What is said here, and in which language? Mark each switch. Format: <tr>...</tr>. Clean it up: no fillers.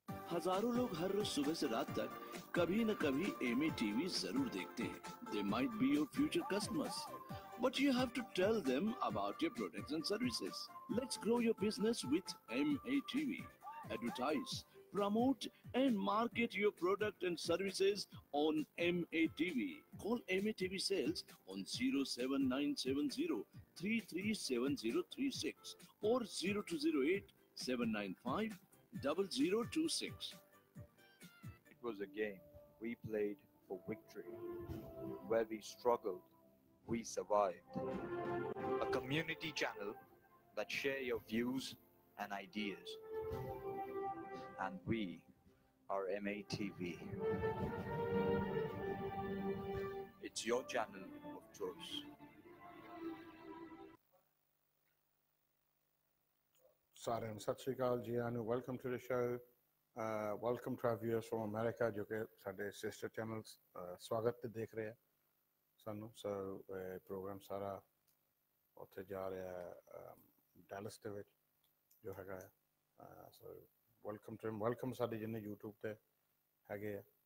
<hi>हजारों लोग हर रोज सुबह से रात तक कभी न कभी एमी टीवी जरूर देखते हैं।</hi> <en>They might be your future customers, but you have to tell them about your products and services. Let's grow your business with MATV. Advertise, promote and market your product and services on MATV. Call MATV sales on 07970-337036 or 0208-795-0026. It was a game we played for victory, where we struggled, we survived. A community channel that share your views and ideas. And we are MATV. It's your channel of choice.</en> <pa>ਸਾਰਿਆਂ ਨੂੰ ਸਤਿ ਸ਼੍ਰੀ ਅਕਾਲ ਜੀ</pa> <en>on welcome to the show welcome to our viewers from America</en> <pa>ਜੋ ਕਿ ਸਾਡੇ sister channel ਸਵਾਗਤ ਤੇ ਦੇਖ ਰਹੇ ਆ ਸਾਨੂੰ ਸਰ ਪ੍ਰੋਗਰਾਮ ਸਾਰਾ ਉੱਥੇ ਜਾ ਰਿਹਾ ਡੈਲਸ ਦੇ ਵਿੱਚ ਜੋ ਹੈਗਾ ਸਰ ਵੈਲਕਮ ਟੂ ਵੈਲਕਮ ਸਾਡੇ ਜਿੰਨੇ ਯੂਟਿਊਬ 'ਤੇ ਹੈਗੇ ਆ</pa>